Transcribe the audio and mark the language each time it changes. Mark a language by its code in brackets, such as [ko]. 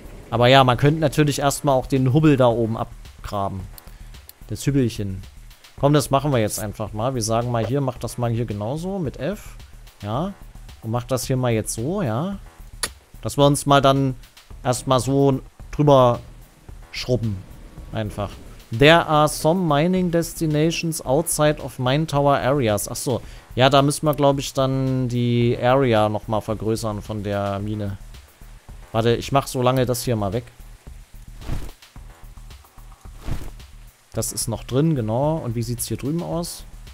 [de] Aber ja, man könnte natürlich erstmal auch den Hubbel da oben abgraben. Das Hübbelchen. Komm, das machen wir jetzt einfach mal. Wir sagen mal hier, mach das mal hier genauso mit F. Ja. Und mach das hier mal jetzt so, ja. Dass wir uns mal dann erstmal so drüber schrubben. Einfach. [en] There are some mining destinations outside of mine tower areas. [de] Ach so. Ja, da müssen wir, glaube ich, dann die Area nochmal vergrößern von der Mine. Warte, ich mach so lange das hier mal weg. Das ist noch drin, genau. Und wie sieht es hier drüben aus?